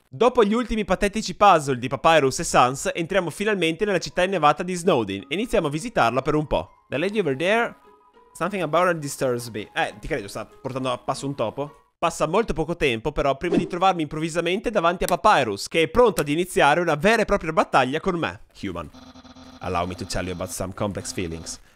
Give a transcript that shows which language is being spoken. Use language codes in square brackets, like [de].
[it] Dopo gli ultimi patetici puzzle di Papyrus e Sans, entriamo finalmente nella città innevata di Snowdin e iniziamo a visitarla per un po'. [en] The lady over there, something about her disturbs me. [it] Ti credo, sta portando a passo un topo? Passa molto poco tempo, però, prima di trovarmi improvvisamente davanti a Papyrus, che è pronta ad iniziare una vera e propria battaglia con me. [en] Human, allow me to tell you about some complex feelings.